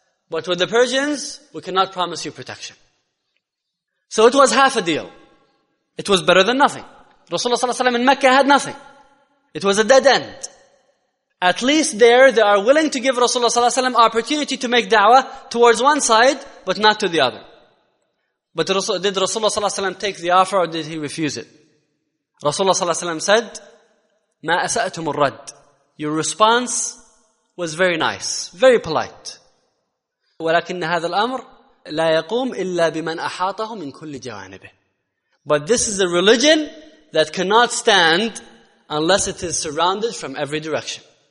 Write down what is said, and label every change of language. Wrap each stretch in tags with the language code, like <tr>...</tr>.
<en>But with the Persians, we cannot promise you protection. So it was half a deal. It was better than nothing. Rasulullah ﷺ in Mecca had nothing. It was a dead end. At least there, they are willing to give Rasulullah ﷺ opportunity to make da'wah towards one side, but not to the other. But did Rasulullah ﷺ take the offer or did he refuse it?</en> <ar>Rasulullah ﷺ said, مَا أَسَأْتُمُ الرَّدْ.</ar> <en>Your response was very nice, very polite.</en> <ar>وَلَكِنَّ هَذَا الْأَمْرِ لَا يَقُومْ إِلَّا بِمَنْ أَحَاطَهُ مِنْ كُلِّ جَوَانِبِهِ.</ar> <en>But this is a religion that cannot stand unless it is surrounded from every direction.</en>